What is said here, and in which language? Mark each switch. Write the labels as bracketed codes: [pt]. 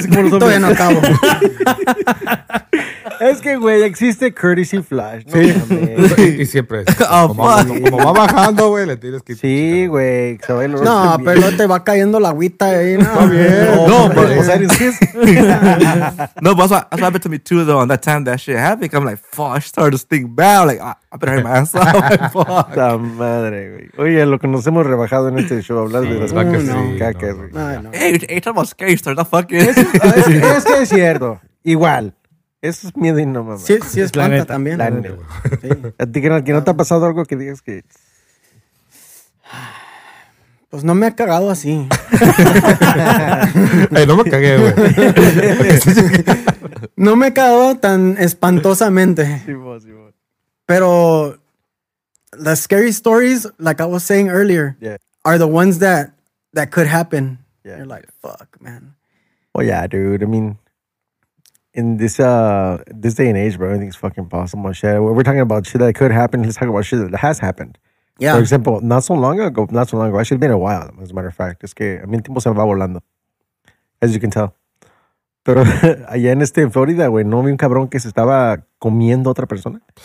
[es] Todavía no acabo. Es que, güey, existe courtesy flash. No, sí. Y siempre. Oh, como va bajando, güey, le tienes que... Sí, güey. No, pero bien. Te va cayendo la agüita ahí. No, está bien. No, o sea, es que... [en] No, but that's what happened to me, too, though, on that time that shit happened. I'm like, fuck, I started to think bad. Like, I better hurt my ass. Like, fuck. [es] La madre, güey. Oye, lo que nos hemos rebajado en este show, hablar sí, de las vacas. No, caca, güey. [en] Hey, you're talking about scary stories, the fuck [es] es que es cierto. Igual. Eso es miedo y no mames. Sí, sí, es planta también. Planeta. Sí. A ti, que no te ha pasado algo que digas que. Pues no me ha cagado así. Hey, no me cagué, güey. No me he cagado tan espantosamente. Sí, vos. Pero. [en] The scary stories, like I was saying earlier, yeah. Are the ones that could happen. Yeah. You're like, fuck, man. Oh, yeah, dude. I mean. In this day and age, bro, everything's fucking possible. Shit, we're talking about shit that could happen. Let's talk about shit that has happened. Yeah. For example, not so long ago. Actually, it's been a while, as a matter of fact. [es] Es que, [en] I mean, [es] tiempo se va volando. [en] As you can tell. [es] Pero allá en este, en Florida, güey, ¿no vi un cabrón que se estaba comiendo a otra persona?